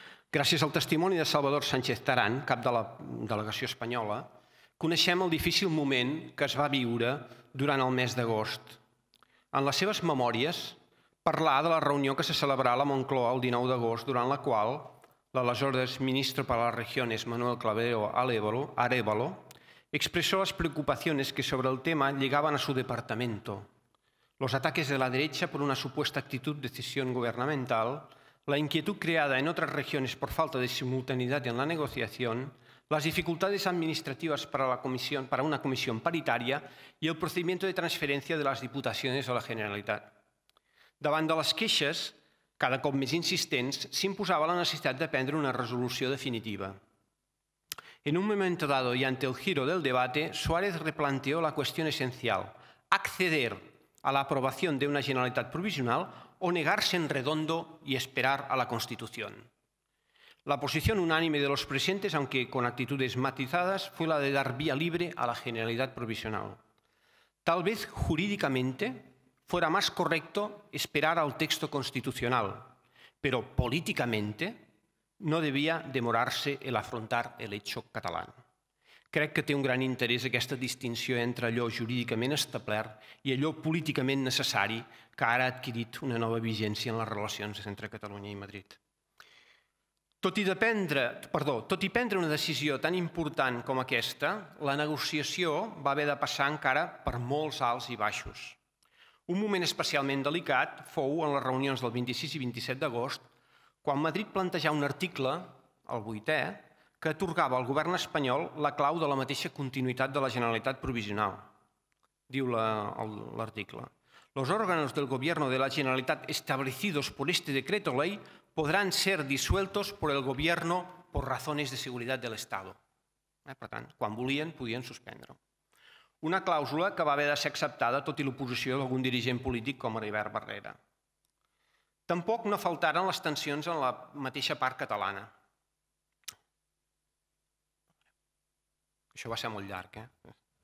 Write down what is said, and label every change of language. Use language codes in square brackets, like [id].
[ca] Gràcies al testimoni de Salvador Sánchez Tarán, cap de la delegació espanyola, coneixem el difícil moment que es va viure durant el mes d'agost. En les seves memòries, parlar de la reunió que se celebrà a la Moncloa el 19 d'agost, durant la qual l'aleshores ministre per a les regiones, Manuel Clavero Arévalo, expressó les preocupacions que sobre el tema lligaven a [es] su departamento. Los ataques de la derecha por una supuesta actitud de cesión gubernamental, la inquietud creada en otras regiones por falta de simultaneidad en la negociación, las dificultades administrativas para una comisión paritaria y el procedimiento de transferencia de las diputaciones a la Generalitat. [ca] Davant de les queixes, cada cop més insistents, s'imposava la necessitat de prendre una resolució definitiva. [es] En un momento dado y ante el giro del debate, Suárez replanteó la cuestión esencial: acceder a la aprobación de una Generalitat provisional o negarse en redondo y esperar a la Constitución. La posición unánime de los presentes, aunque con actitudes matizadas, fue la de dar vía libre a la Generalitat provisional. Tal vez jurídicamente fuera más correcto esperar al texto constitucional, pero políticamente no debía demorarse el afrontar el hecho catalán. [ca] Crec que té un gran interès aquesta distinció entre allò jurídicament establert i allò políticament necessari que ara ha adquirit una nova vigència en les relacions entre Catalunya i Madrid. Tot i prendre una decisió tan important com aquesta, la negociació va haver de passar encara per molts alts i baixos. Un moment especialment delicat fou en les reunions del 26 i 27 d'agost, quan Madrid plantejà un article, el 8è, que atorgava al govern espanyol la clau de la mateixa continuïtat de la Generalitat provisional. Diu l'article: [es] los órganos del gobierno de la Generalitat establecidos por este decreto ley podrán ser disueltos por el gobierno por razones de seguridad del Estado. [ca] Per tant, quan volien, podien suspendre. Una clàusula que va haver de ser acceptada tot i l'oposició d'algun dirigent polític com Heribert Barrera. Tampoc no faltaren les tensions en la mateixa part catalana. Això va ser molt llarg, eh?